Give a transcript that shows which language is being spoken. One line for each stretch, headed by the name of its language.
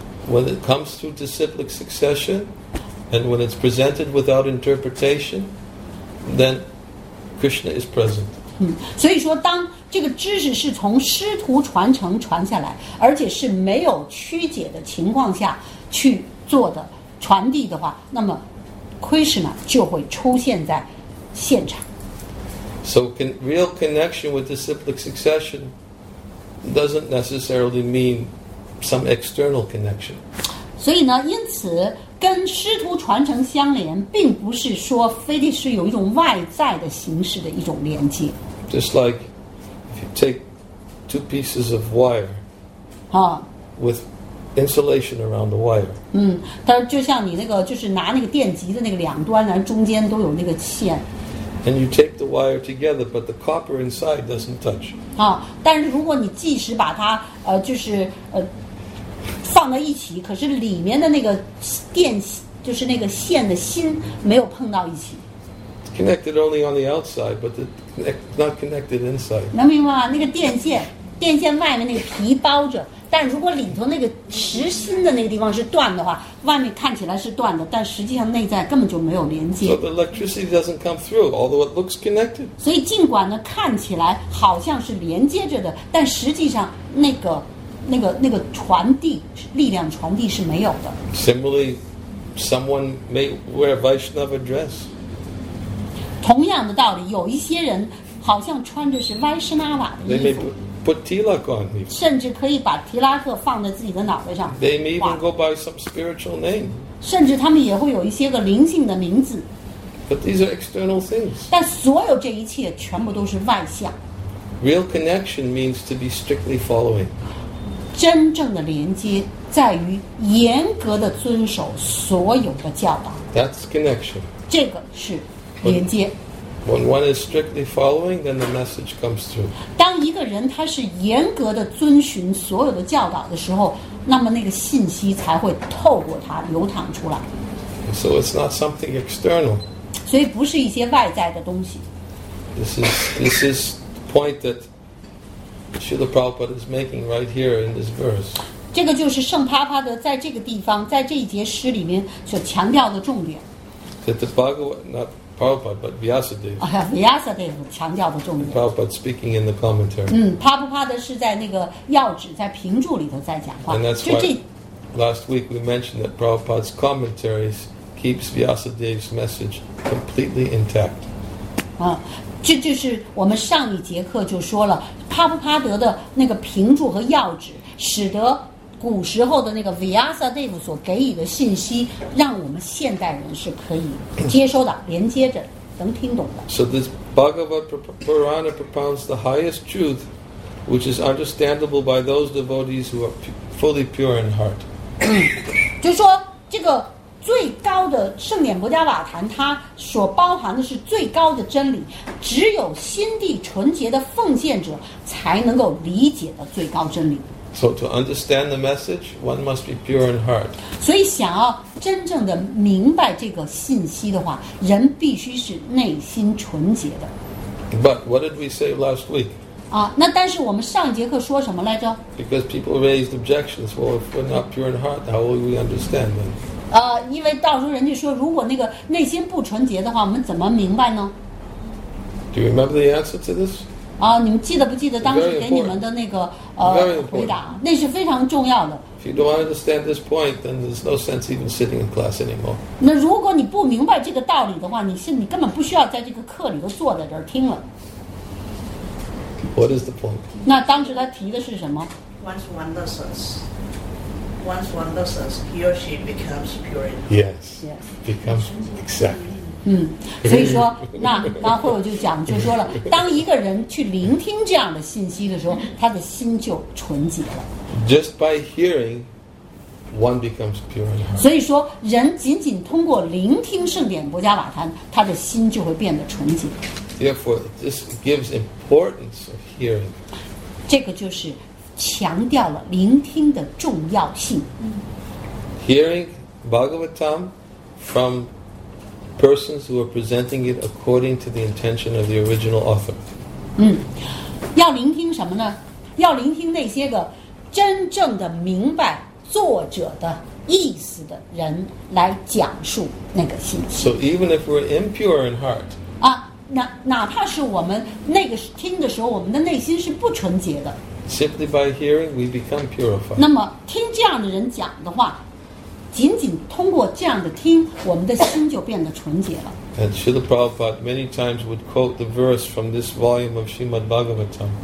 English: When it comes through disciplic succession, and when it's presented without interpretation, then Krishna is present.
Chinese: 所以说当这个知识是从师徒传承传下来，而且是没有曲解的情况下去做的传递的话，那么。 Krishna 就会出现在现场
English: So real connection with disciplic succession doesn't necessarily mean some external connection
Chinese: 所以呢因此跟师徒传承相连并不是说非得是有一种外在的形式的一种连接
English: Just like if you take two pieces of wire、with insulation around the wire
Chinese: 它就像你那个就是拿那个电极的那个两端然后中间都有那个线
English: and you tape the wire together but the copper inside doesn't touch
Chinese: 但是如果你即使把它就是放放到一起，可是里面的那个电就是那个线的心没有碰到一起。
English: Connected only on the outside, but not connected inside.
Chinese: 能明白吗？那个电线外面那个皮包着，但如果里头那个实心的那个地方是断的话，外面看起来是断的，但实际上内在根本就没有连接。
English: So the electricity doesn't come through, although it looks connected.
Chinese: 所以尽管呢看起来好像是连接着的，但实际上那个传递力量传递是没有的。
English: Similarly, someone may wear a Vaishnava dress.
Chinese: 同样的道理，有一些人好像穿着是 Vaishnava 的衣服。
English: They may put tilak on.
Chinese: 甚至可以把提拉克放在自己的脑袋上。
English: They may even go by some spiritual name.
Chinese: 甚至他们也会有一些个灵性的名字。
English: But these are external things.
Chinese: 但所有这一切全部都是外向。
English: Real connection means to be strictly following.
Chinese: 真正的连接在于严格的遵守所有的教导。
English: That's connection.
Chinese: 这个是连接。
English: When one is strictly following, then the message comes through.
Chinese: 当一个人他是严格的遵循所有的教导的时候，那么那个信息才会透过他流淌出来。
English: So it's not something external.
Chinese: 所以不是一些外在的东西。
English: This is point that Srila Prabhupada is making right here in this verse.
Chinese: 这个就是圣帕帕德在这个地方，在这一节诗里面所强调的重点。
English: That the Bhagavad, not Prabhupada, but Vyasadeva.
Chinese: Vyasadeva 强调的重点。
English: Prabhupada speaking in the commentary.
Chinese: 帕帕帕德是在那个要旨，在评注里头在讲话。
English: And that's why last week we mentioned that Prabhupada's commentaries keeps Vyasadeva's message completely intact.
Chinese: 这就是我们上一节课就说了，帕布帕德的那个评注和要旨，使得古时候的那个 Vyasadeva 所给予的信息，让我们现代人是可以接收的，连接着，能听懂的。
English: So this Bhagavad Purana propounds the highest truth, which is understandable by those devotees who are fully pure in heart.
Chinese: 就说这个最高的圣典摩迦瓦坛，它所包含的是最高的真理，只有心地纯洁的奉献者才能够理解的最高真理。
English: So to understand the message, one must be pure in heart.
Chinese: 所以想要真正的明白这个信息的话，人必须是内心纯洁的。
English: But what did we say last week?
Chinese: 啊，那但是我们上一节课说什么来着？
English: Because people raised objections. Well, if we're not pure in heart, how will we understand them?
Chinese: 因为到时候人家说，如果那个内心不纯洁的话，我们怎么明白呢？
English: Do you remember the answer to this?
Chinese: 你们记得不记得当时给你们的那个回答？那是非常重要的。
English: If you don't understand this point, then there's no sense even sitting in class anymore.
Chinese: 那如果你不明白这个道理的话，你根本不需要在这个课里头坐在这儿听了。
English: What is the point?
Chinese: 那当时他提的是什么？
English: Once one does this, he or she becomes pure in heart. Yes, becomes exactly. So, that, then I will just say, just by hearing, one becomes pure in heart.
Chinese: 所以说，人仅仅通过聆听圣典博迦瓦坛，他的心就会变得纯洁。
English: Therefore, this gives importance of hearing.
Chinese: 这个就是强调了聆听的重要性。
English: Hearing Bhagavatam from persons who are presenting it according to the intention of the original author.
Chinese: 要聆听什么呢？要聆听那些个真正的明白作者的意思的人来讲述那个信息。
English: So even if we're impure in heart.
Chinese: 哪怕是我们那个听的时候，我们的内心是不纯洁的。
English: Simply by hearing, we become purified.
Chinese: 那么听这样的人讲的话，仅仅通过这样的听，我们的心就变得纯洁了。
English: And Srila Prabhupada many times would quote the verse from this volume of Srimad Bhagavatam.